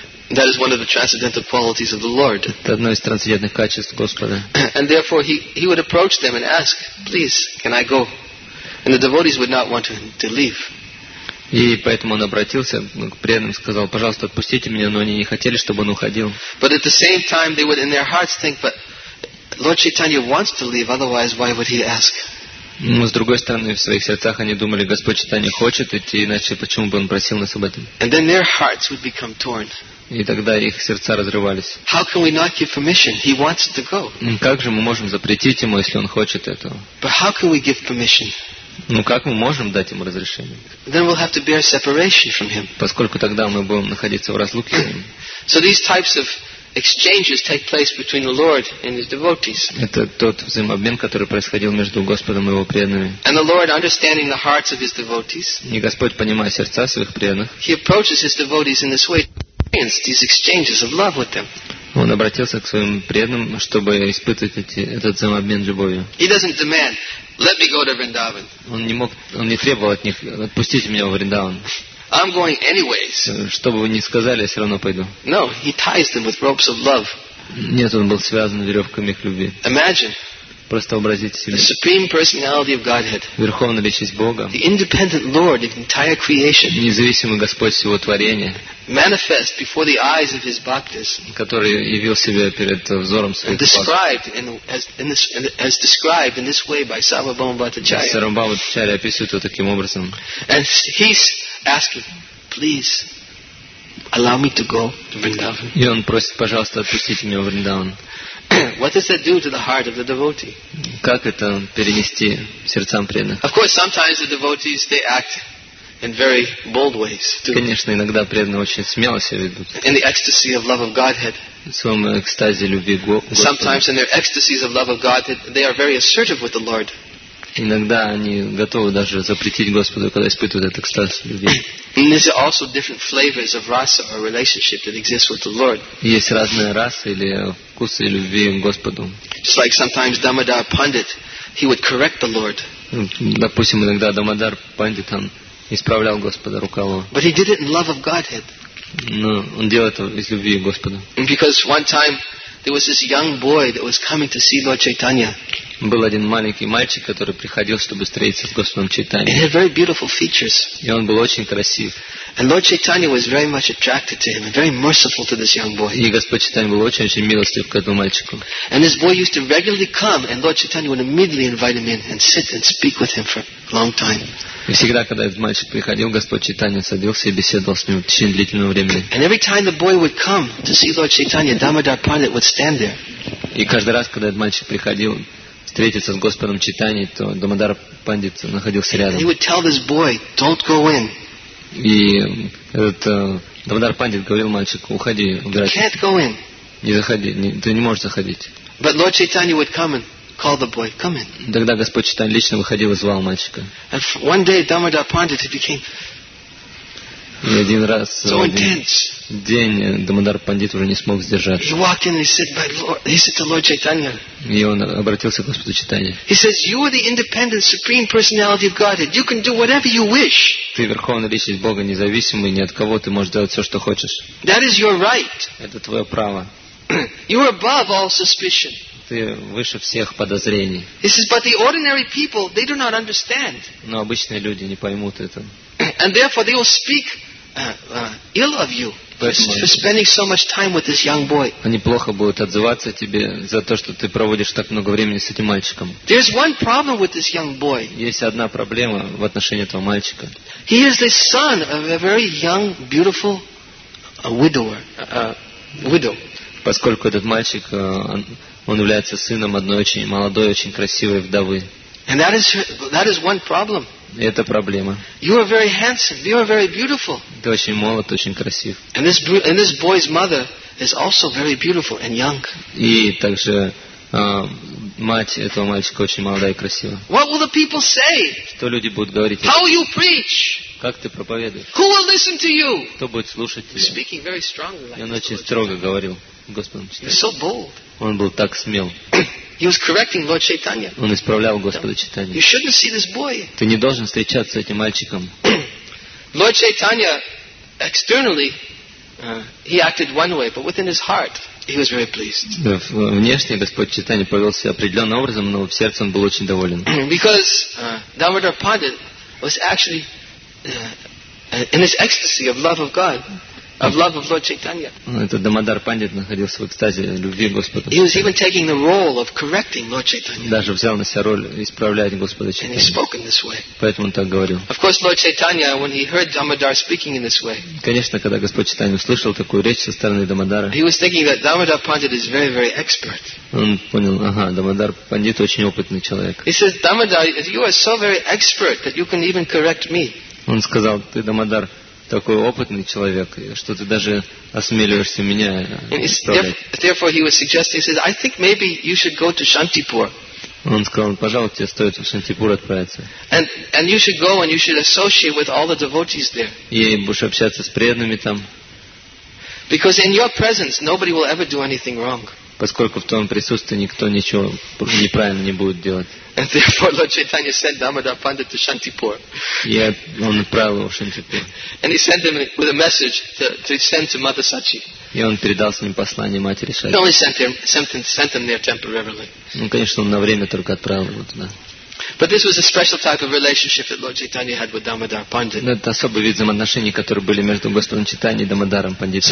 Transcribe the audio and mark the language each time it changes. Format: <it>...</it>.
<en>That is one of the transcendental qualities of the Lord.</en> <ru>Это одно из трансцендентных качеств Господа.</ru> <en>And therefore he would approach them and ask, please, can I go? And the devotees would not want him to leave.</en> <ru>И поэтому он обратился к преданным и сказал, пожалуйста, отпустите меня, но они не хотели, чтобы он уходил.</ru> <en>But at the same time they would in their hearts think, but Lord Chaitanya wants to leave, otherwise why would he ask?</en> <ru>Но с другой стороны, в своих сердцах они думали, Господь Чайтанья хочет идти, иначе почему бы он просил нас об этом?</ru> <en>And then their hearts would become torn.</en> <ru>И тогда их сердца разрывались.</ru> <en>How can we not give permission? He wants to go.</en> <ru>Как же мы можем запретить ему, если он хочет этого?</ru> <en>But how can we give permission?</en> <ru>Ну как мы можем дать ему разрешение?</ru> <en>Then we'll have to bear separation from him.</en> <ru>Поскольку тогда мы будем находиться в разлуке с ним.</ru> <en>So these types of exchanges take place between the Lord and his devotees.</en> <ru>Это тот взаимообмен, который происходил между Господом и его преданными.</ru> <en>And the Lord, understanding the hearts of his devotees,</en> <ru>и Господь, понимая сердца своих преданных,</ru> <en>he approaches his devotees in this way. These exchanges of love with them.</en> <ru>Он обратился к своим преданным, чтобы испытывать этот взаимообмен любовью.</ru> <en>He doesn't demand, let me go to Vrindavan.</en> <ru>Он не требовал от них, отпустите меня в Вриндаван.</ru> <en>I'm going anyways.</en> <ru>Что бы вы ни сказали, я все равно пойду.</ru> <en>No, he ties them with ropes of love.</en> <ru>Нет, он был связан веревками их любви.</ru> <en>Imagine.</en> <ru>Просто образите себе.</ru> <en>The supreme personality of Godhead.</en> <ru>Верховная личность Бога.</ru> <en>The independent Lord of entire creation.</en> <ru>Независимый Господь всего творения.</ru> <en>Manifest before the eyes of his bhaktas.</en> <ru>Который явил себя перед взором своих bhaktas.</ru> <en>Described in as described in this way by Sarvabhauma Bhattacharya.</en> <ru>Сарвабхаума Бхаттачарья описывает его таким образом.</ru> <en>And he's asking, please, allow me to go to Vrindavan.</en> <ru>И он просит, пожалуйста, отпустите меня в Вриндаван.</ru> <en>What does that do to the heart of the devotee?</en> <ru>Как это перенести сердцам преданных?</ru> <en>Of course, sometimes the devotees they act in very bold ways.</en> <ru>Конечно, иногда преданные очень смело себя ведут.</ru> <en>In the ecstasy of love of Godhead.</en> <ru>В своем экстазе любви Господа.</ru> <en>Sometimes in their ecstasies of love of Godhead, they are very assertive with the Lord.</en> <ru>Иногда они готовы даже запретить Господу, когда испытывают этот экстаз любви.</ru> <en>And there are also different flavors of rasa or relationship that exists with the Lord.</en> <ru>Есть разные расы или вкусы любви к Господу.</ru> <en>It's like sometimes Damodar Pandit, he would correct the Lord.</en> <ru>Допустим, иногда Дамодар Пандит он исправлял Господа рукаво.</ru> <en>But he did it in love of Godhead.</en> <ru>Но он делал это из любви к Господу.</ru> <en>Because one time there was this young boy that was coming to see Lord Chaitanya.</en> <ru>Был один маленький мальчик, который приходил, чтобы встретиться с Господом Чайтаньей.</ru> <en>He had very beautiful features.</en> <ru>И он был очень красив.</ru> <en>And Lord Chaitanya was very much attracted to him and very merciful to this young boy.</en> <ru>И Господь Чайтанья был очень-очень милостив к этому мальчику.</ru> <en>And this boy used to regularly come and Lord Chaitanya would immediately invite him in and sit and speak with him for a long time.</en> <ru>И всегда, когда этот мальчик приходил, Господь Чайтанья садился и беседовал с ним в течение длительного времени.</ru> <en>And every time the boy would come to see Lord Chaitanya, Damodar Pandit would stand there.</en> <ru>И каждый раз, когда этот мальчик приходил, встретиться с Господом Чайтаньей, то Дамодар Пандит находился рядом.</ru> <en>He would tell this boy, "Don't go in."</en> <ru>И этот Дамодар Пандит говорил мальчику, уходи, убирайся.</ru> <en>You can't go in.</en> <ru>Не заходи, ты не можешь заходить.</ru> <en>But Lord Chaitanya would come and Call the boy, come in.</en> <ru>Тогда Господь Читан лично выходил и звал мальчика.</ru> <en>And one day Damodar Pandit he became.</en> <ru>И один раз</ru> <en>so intense.</en> <ru>День Дамодар Пандит уже не смог сдержаться.</ru> <en>He walked in and he said to Lord Chaitanya.</en> <ru>И он обратился к Господу Читанья.</ru> <en>He says, "You are the independent, supreme personality of Godhead. You can do whatever you wish."</en> <ru>Ты верховная личность Бога, независимый, ни от кого ты можешь делать все, что хочешь.</ru> <en>That is your right.</en> <ru>Это твое право.</ru> <en>You are above all suspicion.</en> <ru>Ты выше всех подозрений.</ru> <en>He says, "But the ordinary people, they do not understand."</en> <ru>Но обычные люди не поймут это.</ru> <en>And therefore they will speak ill of you for spending so much time with this young boy.</en> <ru>Они плохо будут отзываться тебе за то, что ты проводишь так много времени с этим мальчиком.</ru> <en>There is one problem with this young boy.</en> <ru>Есть одна проблема в отношении этого мальчика.</ru> <en>He is the son of a very young, beautiful widower. Widow.</en> <ru>Поскольку этот мальчик он является сыном одной очень молодой, очень красивой вдовы.</ru> <en>And that is one problem.</en> <ru>Это проблема.</ru> <en>You are very handsome. You are very beautiful.</en> <ru>Ты очень молод, очень красив.</ru> <en>And this boy's mother is also very beautiful and young.</en> <ru>И также мать этого мальчика очень молодая и красивая.</ru> <en>What will the people say?</en> <ru>Что люди будут говорить?</ru> <en>How you preach?</en> <ru>Как ты проповедуешь?</ru> <en>Who will listen to you?</en> <ru>Кто будет слушать тебя?</ru> <en>Speaking very strongly.</en> <ru>Он очень строго говорил Господом.</ru> <en>He's so bold.</en> <ru>Он был так смел.</ru> <en>He was correcting Lord Chaitanya.</en> <ru>Он исправлял Господа Читанью.</ru> <en>You shouldn't see this boy.</en> <ru>Ты не должен встречаться с этим мальчиком.</ru> <en>Lord Chaitanya, externally, he acted one way, but within his heart, he was very pleased.</en> <ru>Внешне Господь Читанья повел себя определенным образом, но в сердце он был очень доволен.</ru> <en>Because Damodar Pandit was actually in his ecstasy of love of God. Of love of Lord Chaitanya.</en> <ru>Этот Дамодар Пандит находился в экстазе любви Господа.</ru> <en>He was even taking the role of correcting Lord Chaitanya.</en> <ru>Даже взял на себя роль исправлять Господа Читанья.</ru> <en>And he spoke in this way.</en> <ru>Поэтому он так говорил.</ru> <en>Of course, Lord Chaitanya, when he heard Damodar speaking in this way.</en> <ru>Конечно, когда Господь Читанья услышал такую речь со стороны Дамодара.</ru> <en>He was thinking that Damodar Pandit is very, very expert.</en> <ru>Он понял, ага, Дамодар Пандит очень опытный человек.</ru> <en>He says, "Damodar, you are so very expert that you can even correct me."</en> <ru>Он сказал, ты Дамодар. Такой опытный человек, что ты даже осмеливаешься меня исправлять.</ru> <en>Therefore he was suggesting, he said, "I think maybe you should go to Shantipur."</en> <ru>Он сказал, пожалуй, тебе стоит в Шантипур отправиться.</ru> <en>And you should go and you should associate with all the devotees there.</en> <ru>И будешь общаться с преданными там.</ru> <en>Because in your presence nobody will ever do anything wrong.</en> <ru>Поскольку в твоем присутствии никто ничего неправильно не будет делать.</ru> <en>And therefore, Lord Chaitanya sent Damodar Pandit to Shantipur. Yeah,</en> <ru>он отправил его в Шантипур.</ru> <en>And he sent him with a message to send to Mother Sachi.</en> <ru>И он передал с ним послание матери Сачи.</ru> <en>He only sent him there temporarily.</en> <ru>Ну, конечно, он на время только отправил его туда.</ru> <en>But this was a special type of relationship that Lord Chaitanya had with Damodar Pandit.</en> <ru>Но это особый вид взаимоотношений, которые были между Господом Читанья и Дамодаром Пандитом.</ru>